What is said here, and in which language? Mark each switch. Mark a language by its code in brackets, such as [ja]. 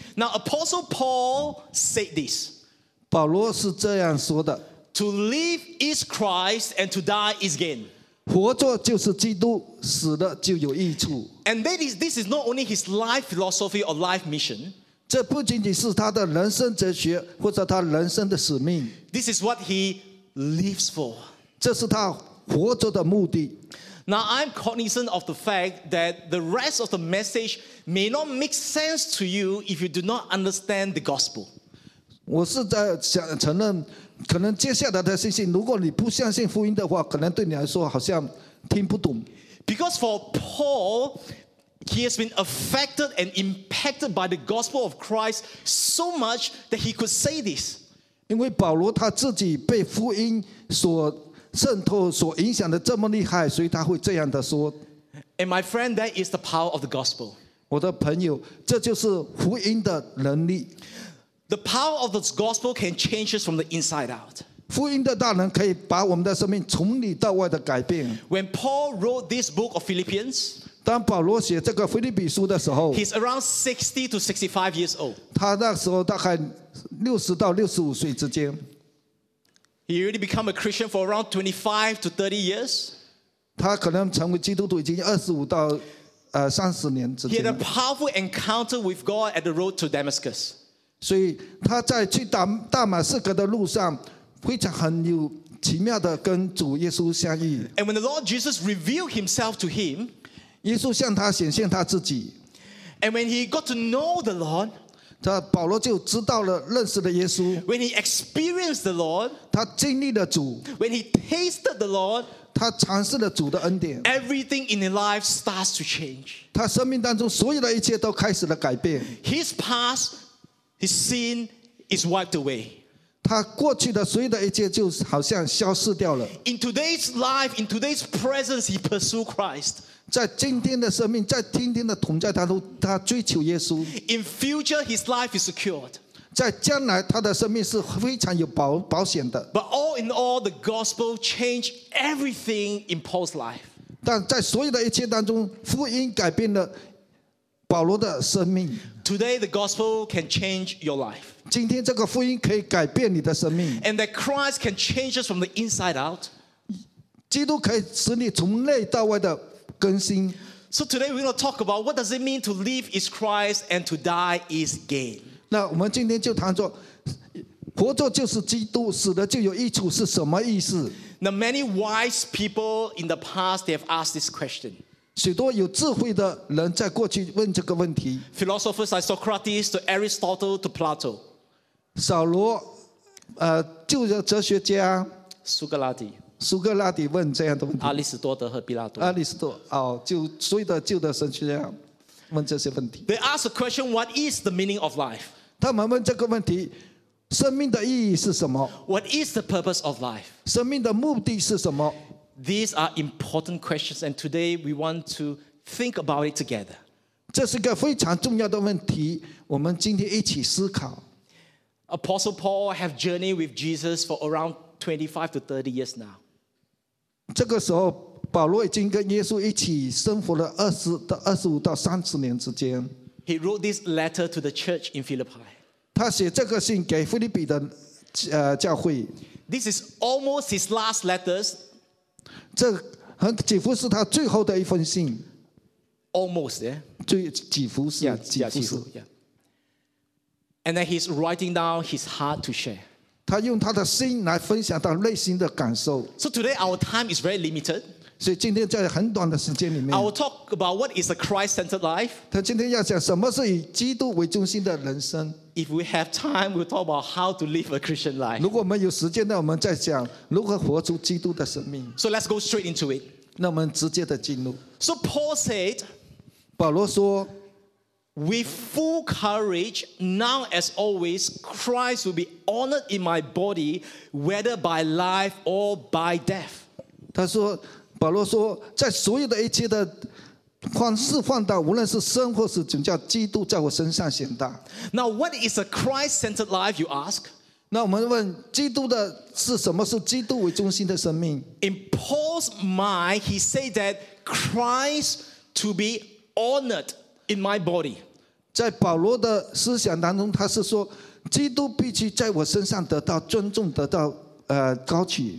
[en] Now Apostle Paul said this. [zh] 保罗是这样说的 [en] To live is Christ and to die is gain. [zh] 活着就是基督，死的就有益处。 [en] And this is not only his life philosophy or life mission. [zh] 这不仅仅是他的人生哲学或者他人生的使命。 [en] This is what he lives for. [zh] 这是他活着的目的。 [en] Now I'm cognizant of the fact that the rest of the message may not make sense to you if you do not understand the gospel. [zh] 我是在想承认可能接下来的信息如果你不相信福音的话可能对你来说好像听不懂 [en] Because for Paul he has been affected and impacted by the gospel of Christ so much that he could say this [zh] 因为保罗他自己被福音所渗透所影响的这么厉害所以他会这样的说 [en] And my friend that is the power of the gospel [zh] 我的朋友这就是福音的能力 [en] The power of this gospel can change us from the inside out. [zh] 福音的大能可以把我们的生命从里到外的改变。 [en] When Paul wrote this book of Philippians, [zh] 当保罗写这个腓立比书的时候 [en] he's around 60 to 65 years old. [zh] 他那时候大概60到65岁之间。 [en] He already become a Christian for around 25 to 30 years. [zh] 他可能成为基督徒已经25到30年之间。 [en] He had a powerful encounter with God at the road to Damascus. [zh] 所以他在去大马士革的路上非常很有奇妙的跟主耶稣相遇 [en] And when the Lord Jesus revealed himself to him [zh] 耶稣向他显现他自己 [en] And when he got to know the Lord [zh] 他保罗就知道了认识了耶稣 [en] When he experienced the Lord [zh] 他经历了主 [en] When he tasted the Lord [zh] 他尝试了主的恩典 [en] Everything in his life starts to change [zh] 他生命当中所有的一切都开始了改变 [en] His pastHis sin is wiped away. [zh] 他过去的所有的一切就好像消失掉了。 [en] In today's life, in today's presence, he pursued Christ. [zh] 在今天的生命，在今天的同在当中，他追求耶稣。 [en] In future, his life is secured. [zh] 在将来，他的生命是非常有保险的。 [en] But all in all, the gospel changed everything in Paul's life. [zh] 但在所有的一切当中，福音改变了保罗的生命。 [en] Today, the gospel can change your life. [zh] 今天这个福音可以改变你的生命。 [en] And that Christ can change us from the inside out. [zh] 基督可以使你从内到外的更新。 [en] So today, we're going to talk about what does it mean to live is Christ and to die is gain. [zh] 那我们今天就谈说，活着就是基督，死了就有益处是什么意思？ [en] Now, many wise people in the past, they have asked this question. [zh] 许多有智慧的人在过去问这个问题。 [en] Philosophers like Socrates to Aristotle to Plato. [zh] 扫罗，旧的哲学家。苏格拉底问这样的问题。阿里斯多德和毕拉多。阿里斯多哦，就所有的旧的神学家问这些问题。 [en] They ask a question: What is the meaning of life? [zh] 他们问这个问题，生命的意义是什么 [en] ？What is the purpose of life? [zh] 生命的目的是什么？ [en] These are important questions, and today we want to think about it together. [zh] 这是个非常重要的问题，我们今天一起思考。 [en] Apostle Paul have journeyed with Jesus for around 25 to 30 years now. [zh] 这个时候，保罗已经跟耶稣一起生活了25到30年之间。 [en] He wrote this letter to the church in Philippi. [zh] 他写这个信给腓立比的教会。 [en] This is almost his last letters. [zh] 这很几乎是他最后的一封信 [en] almost [zh] 最几乎是 [en] yeah, [zh] 几乎是 [en] yeah, [zh] 几乎 [en] yeah. And then he's writing down his heart to share. [zh] 他用他的心来分享他内心的感受。 [en] So today our time is very limited. [zh] 所以今天在很短的时间里面 [en] I will talk about what is a Christ-centered life. [zh] 他今天要讲什么是以基督为中心的人生。 [en] If we have time, we'll talk about how to live a Christian life. [zh] 如果我们有时间呢，我们再讲如何活出基督的生命。 [en] So let's go straight into it. [zh] 那我们直接的进入。 [en] So Paul said, [zh] 保罗说 [en] With full courage, now as always, Christ will be honored in my body, whether by life or by death. [zh] 他说，保罗说，在所有的一切的宽释放到，无论是生或是宗教，基督在我身上显大。 [en] Now, what is a Christ-centered life? You ask. [zh] 那我们问，基督的是什么？是基督为中心的生命。 [en] In Paul's mind, he said that Christ to be honored. In my body. [zh] 在保罗的思想当中，他是说，基督必须在我身上得到尊重，得到高举。